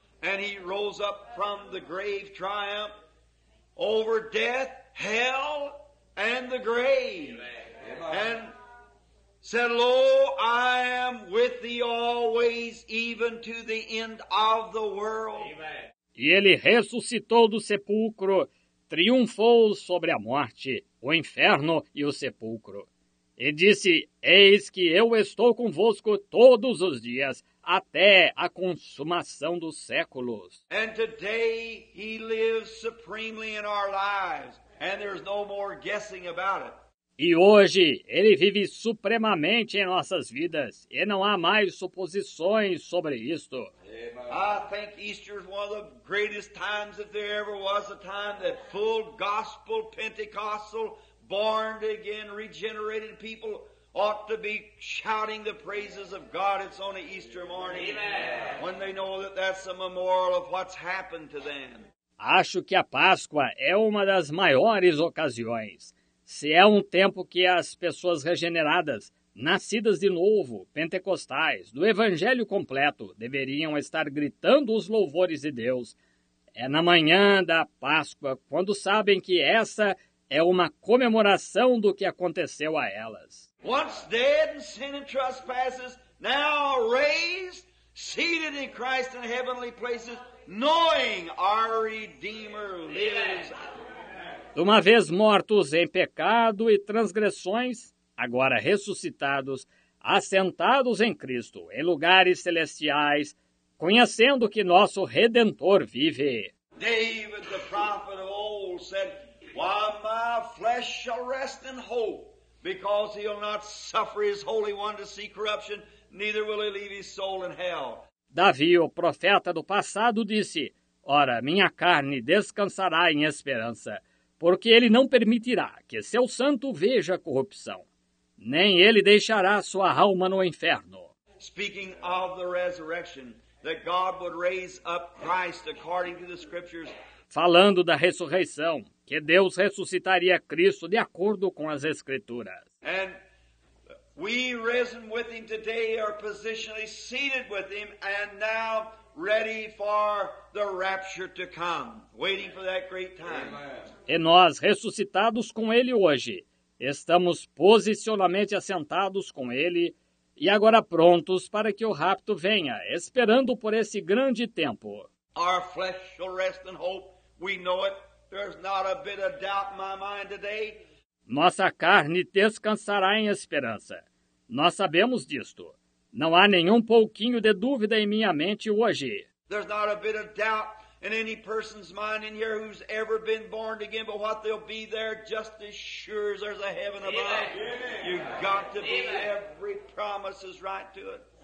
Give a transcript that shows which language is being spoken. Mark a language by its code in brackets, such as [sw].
[en] And he rose up from the grave triumph over death, hell and the grave. And said, Lo, I am with thee always, even to the end of the world. Amen. [pt] E ele ressuscitou do sepulcro, triunfou sobre a morte, o inferno e o sepulcro. E disse, eis que eu estou convosco todos os dias, até a consumação dos séculos. [en] And today he lives supremely in our lives, and there's no more guessing about it. [pt] E hoje ele vive supremamente em nossas vidas, e não há mais suposições sobre isto. [en] I think Easter is one of the greatest times that there ever was, a time that full gospel, Pentecostal, born again, regenerated people ought to be shouting the praises of God. It's on an Easter morning. Amen. When they know that that's a memorial of what's happened to them. [pt] Acho que a Páscoa é uma das maiores ocasiões. Se é um tempo que as pessoas regeneradas, nascidas de novo, pentecostais, do Evangelho completo, deveriam estar gritando os louvores de Deus, é na manhã da Páscoa, quando sabem que essa é uma comemoração do que aconteceu a elas. [en] Once dead in sin and trespasses, now raised, seated in Christ in heavenly places, knowing our Redeemer lives. [pt] De uma vez mortos em pecado e transgressões, agora ressuscitados, assentados em Cristo, em lugares celestiais, conhecendo que nosso Redentor vive. [en] David, the prophet of old, said, while my flesh shall rest in hope, because he'll not suffer his Holy One to see corruption, neither will he leave his soul in hell. [pt] Davi, o profeta do passado, disse, ora, minha carne descansará em esperança, porque ele não permitirá que seu santo veja a corrupção, nem ele deixará sua alma no inferno. [en] Speaking of the resurrection, that God would raise up Christ according to the scriptures. [pt] Falando da ressurreição, que Deus ressuscitaria Cristo de acordo com as escrituras. [en] And we risen with him today, are positionally seated with him, and now ready for the rapture to come, waiting for that great time. [pt] E nós, ressuscitados com ele hoje, estamos posicionalmente assentados com ele e agora prontos para que o rapto venha, esperando por esse grande tempo. [en] Our flesh shall rest in hope. We know it. There's not a bit of doubt in my mind today. [pt] Nossa carne descansará em esperança. Nós sabemos disto. Não há nenhum pouquinho de dúvida em minha mente hoje. [en] There's not a bit of doubt in any person's mind in here who's ever been born again, but what they'll be there just as sure as there's a heaven above. Amen. You've got to be. Amen. Every promise is right to it.